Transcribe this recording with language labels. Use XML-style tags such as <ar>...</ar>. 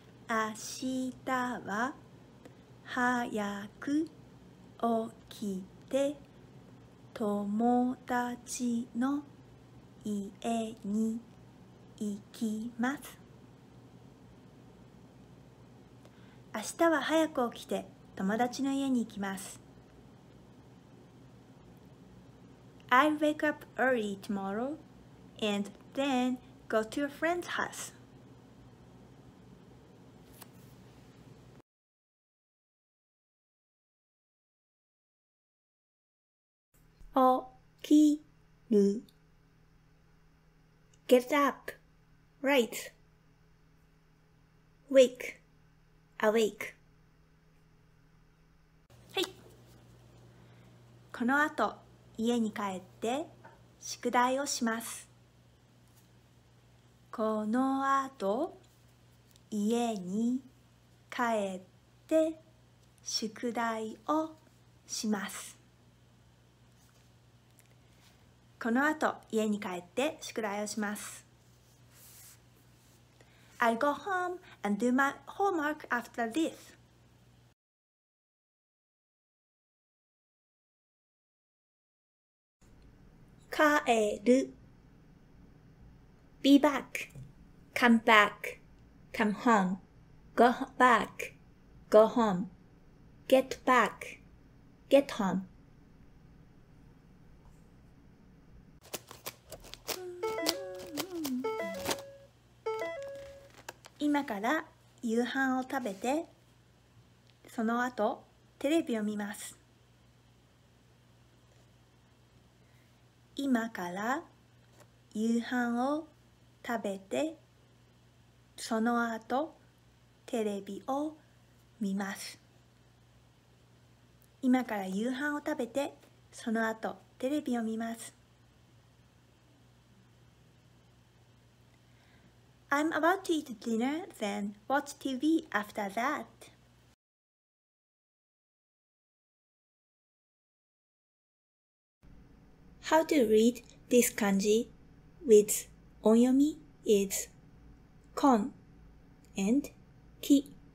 <ja>明日は早く起きて友達の家に行きます。明日は早く起きて友達の家に行きます。</ja> <en>I wake up early tomorrow and then go to a friend's house. 起きる Get up, right. Wake. Awake.</en> <ja>はい。このあと家に帰って宿題をします。このあと家に帰って宿題をします。このあと家に帰って宿題をします。</ja> <en>I'll go home and do my homework after this.</en> <ja>Kaeru.</ja> <en>Be back. Come back. Come home. Go back. Go home. Get back. Get home.</en> <ja>今から夕飯を食べて、その後テレビを見ます。今から夕飯を食べて、その後テレビを見ます。今から夕飯を食べて、その後テレビを見ます。</ja> <en>I'm about to eat dinner, then watch TV after that. How to read this kanji with onyomi is kon and ki.</en>